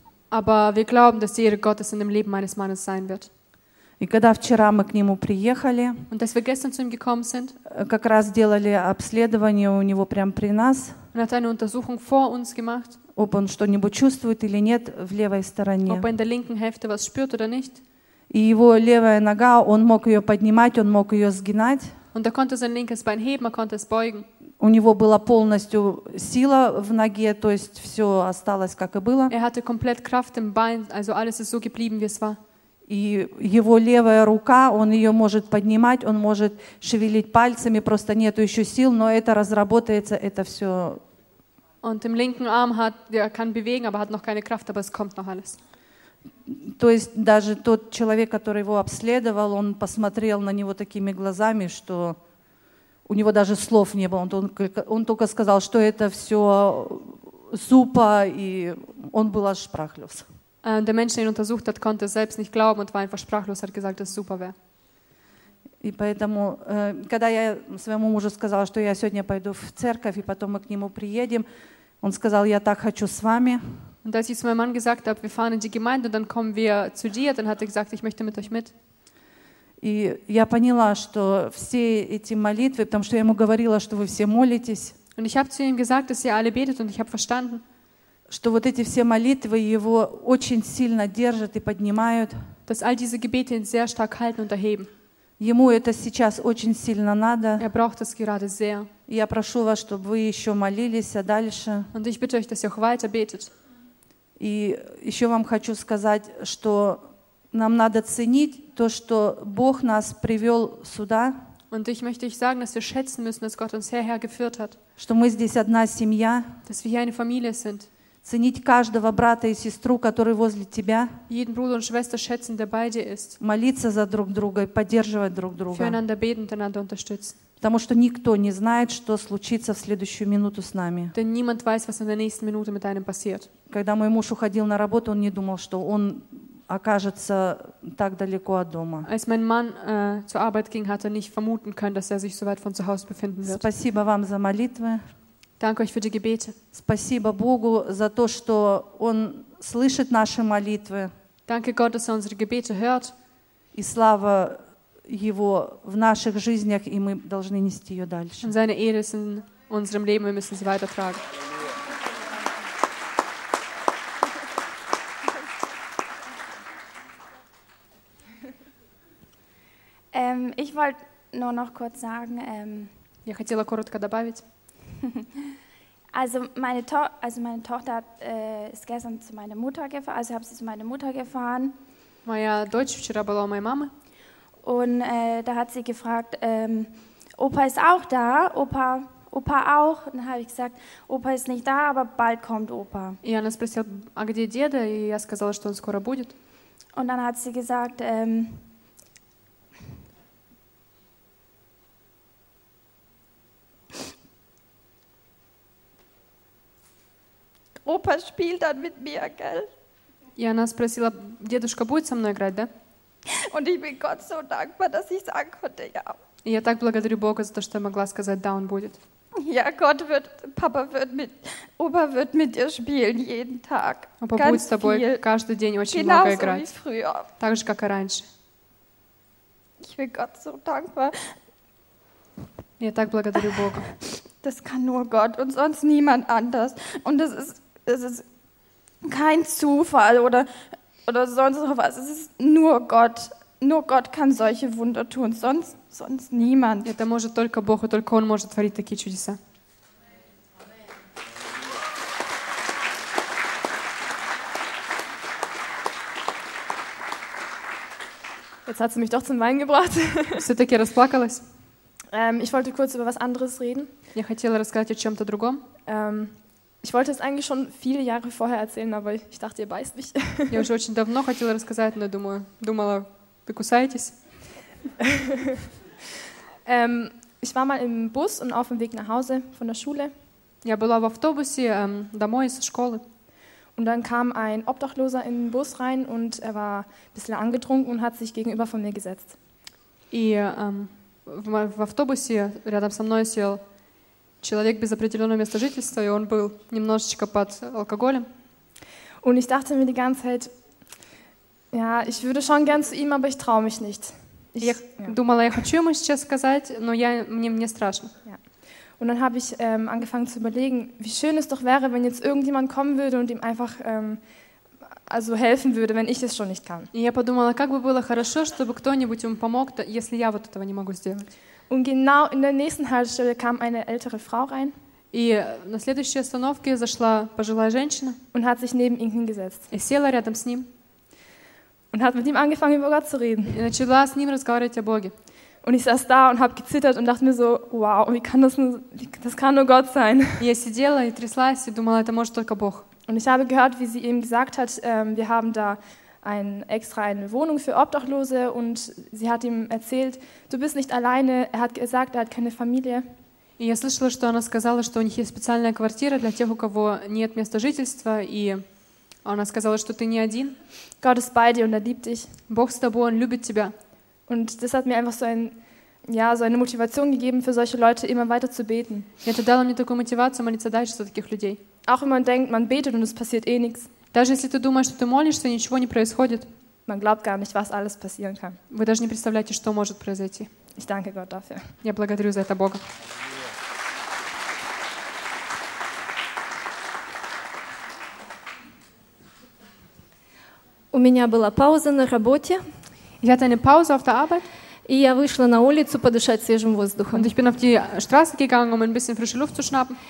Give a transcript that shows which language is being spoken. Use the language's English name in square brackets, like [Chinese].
[German] Aber wir glauben, dass die Ehre Gottes in dem Leben meines Mannes sein wird. [Russian] И когда вчера мы к нему приехали, [German] und als wir gestern zu ihm gekommen sind, [Russian] как раз делали обследование у него прямо при нас, [German] und hat eine Untersuchung vor uns gemacht, ob [Russian] он что-нибудь чувствует или нет в левой стороне. [German] Ob er in der linken Hälfte was spürt oder nicht. [Russian] И его левая нога, он мог ее поднимать, он мог ее сгинать. [German] Und er konnte sein linkes Bein heben, er konnte es beugen. [Russian] У него была полностью сила в ноге, то есть все осталось, как и было. [German] Er hatte komplett Kraft im Bein, also alles ist so geblieben, wie es war. [Russian] И его левая рука, он ее может поднимать, он может шевелить пальцами, просто нету еще сил, но это разработается, это все. [German] Und im linken Arm kann bewegen, aber hat noch keine Kraft, aber es kommt noch alles. [Russian] То есть даже тот человек, который его обследовал, он посмотрел на него такими глазами, что у него даже слов не было. Он только сказал, что это все супа, и он был аж [German] sprachlos. Der Mensch, den untersucht hat, konnte selbst nicht glauben und war einfach sprachlos, hat gesagt, dass es super wäre. [Russian] И поэтому, когда я своему мужу сказала, что я сегодня пойду в церковь, и потом мы к нему приедем, он сказал, я так хочу с вами. [German] Und als ich zu meinem Mann gesagt habe, wir fahren in die Gemeinde und dann kommen wir zu dir, dann hat er gesagt, ich möchte mit euch mit. [Russian] И я поняла, что все эти молитвы, потому что я ему говорила, что вы все молитесь. [German] Und ich habe zu ihm gesagt, dass ihr alle betet und ich habe verstanden. [Russian] что вот эти все молитвы его очень сильно держат и поднимают. [German] Dass all diese Gebete ihn sehr stark halten und erheben. [Russian] Ему это сейчас очень сильно надо. [German] Er braucht das gerade sehr. [Russian] Я прошу вас, чтобы вы еще молились а дальше. [German] Und ich bitte euch, dass ihr auch weiter betet. [Russian] И еще вам хочу сказать, что нам надо ценить то, что Бог нас привел сюда. [German] Und ich möchte euch sagen, dass wir schätzen müssen, dass Gott uns hierher geführt hat. [Russian] Что мы здесь одна семья. [German] Dass wir hier eine Familie sind. [Russian] Ценить каждого брата и сестру, который возле тебя. [German] Jeden Bruder und Schwester schätzen, der bei dir ist. [Russian] Молиться за друг друга и поддерживать друг друга. [German] Füreinander beten, einander unterstützen. [Russian] Потому что никто не знает, что случится в следующую минуту с нами. [German] Denn niemand weiß, was in der nächsten Minute mit einem passiert. [Russian] Когда мой муж уходил на работу, он не думал, что он окажется так далеко от дома. [German] Als mein Mann zur Arbeit ging, hat er nicht vermuten können, dass er sich so weit von zu Hause befinden wird. [Russian] Спасибо вам за молитвы. [German] Danke euch für die Gebete. [Russian] Спасибо Богу за то, что он слышит наши молитвы. [German] Danke Gott, dass er unsere Gebete hört. [Russian] И слава его в наших жизнях, и мы должны нести ее дальше. [German] Und seine Ehre ist in unserem Leben, wir müssen sie weitertragen. Ich wollte nur noch kurz sagen, [Russian] Я хотела коротко добавить. [German] Also meine Tochter ist gestern zu meiner Mutter gefahren, also habe sie zu meiner Mutter gefahren. [Russian] Моя дочь вчера была у моей мамы. [German] Und da hat sie gefragt, Opa ist auch da, Opa auch. Und dann habe ich gesagt, Opa ist nicht da, aber bald kommt Opa. [Russian] И она спросила, а где деда? И я сказала, что он скоро будет. [German] Und dann hat sie gesagt, Opa spielt dann mit mir, gell? [Russian] И она спросила, дедушка будет со мной играть, да? [German] Und ich bin Gott so dankbar, dass ich sagen konnte, ja. [Russian] И я так благодарю Бога за то, что я могла сказать, да, он будет. [German] Ja, Gott wird, Papa wird mit, Opa wird mit dir spielen jeden Tag. Opa ganz [Russian] будет с тобой [German] viel. [Russian] Каждый день очень [German] Genauso [Russian] много играть. [German] Genauso wie früher. [Russian] Так же, как и раньше. [German] Ich bin Gott so dankbar. [Russian] Я так благодарю Бога. [German] Das kann nur Gott und sonst niemand anders. Und es ist kein Zufall oder sonst noch was. Es ist nur Gott. Nur Gott kann solche Wunder tun. Sonst niemand. [Russian] Это может только Бог, и только Он может творить такие чудеса. [German] Jetzt hat sie mich doch zum Weinen gebracht. [Russian] Все-таки расплакалась. [German] Ich wollte kurz über was anderes reden. [Russian] Я хотела рассказать о чем-то другом. [German] Ich wollte es eigentlich schon viele Jahre vorher erzählen, aber ich dachte, ihr beißt mich. [Russian] Я уже очень давно хотела рассказать, но думала, вы кусаетесь. [German] Ich war mal im Bus und auf dem Weg nach Hause von der Schule. [Russian] Я была в автобусе домой из школы. [German] Und dann kam ein Obdachloser in den Bus rein und er war ein bisschen angetrunken und hat sich gegenüber von mir gesetzt. [Russian] В автобусе рядом со мной сел человек без определенного места жительства, и он был немножечко под алкоголем. [German] Und ich dachte mir die ganze Zeit, ja, ich würde schon gern zu ihm, aber ich traue mich nicht. [Russian] Думала, я хочу ему сейчас сказать, но мне страшно. [German] Ja. Und dann habe ich angefangen zu überlegen, wie schön es doch wäre, wenn jetzt irgendjemand kommen würde und ihm einfach also helfen würde, wenn ich es schon nicht kann. [Russian] Я подумала, как бы было хорошо, чтобы кто-нибудь ему помог, если я вот этого не могу сделать. [German] Und genau in der nächsten Haltestelle kam eine ältere Frau rein. [Russian] И на следующей остановке зашла пожилая женщина. [German] Und hat sich neben ihn hingesetzt. [Russian] И села рядом с ним. [German] Und hat mit ihm angefangen über Gott zu reden. [Russian] И начала с ним разговаривать о Боге. [German] Und ich saß da und habe gezittert und dachte mir so, wow, das kann nur Gott sein. [Russian] Я сидела и тряслась и думала, это может только Бог. [German] Und ich habe gehört, wie sie ihm gesagt hat, wir haben da extra eine Wohnung für Obdachlose und sie hat ihm erzählt, du bist nicht alleine, er hat gesagt, er hat keine Familie. [Russian] И я слышала, что она сказала, что у них есть специальная квартира для тех, у кого нет места жительства, и она сказала, что ты не один. [German] Gott ist bei dir und er liebt dich. [Russian] Бог с тобой, он любит тебя. [German] Und das hat mir einfach so eine Motivation gegeben, für solche Leute immer weiter zu beten. [Russian] Это дало мне такую мотивацию молиться дальше за таких людей. [German] Auch wenn man denkt, man betet und es passiert nichts. [Russian] Даже если ты думаешь, что ты молишься, ничего не происходит. [German] Man glaubt gar nicht, was alles passieren kann. [Russian] Вы даже не представляете, что может произойти. [German] Ich danke Gott dafür. [Russian] Я благодарю за это Бога. У меня была пауза на работе. [German] Ich hatte eine Pause auf der Arbeit. [Russian] И я вышла на улицу подышать свежим воздухом. [German] Und ich bin auf die Straße gegangen, um ein bisschen frische Luft zu schnappen.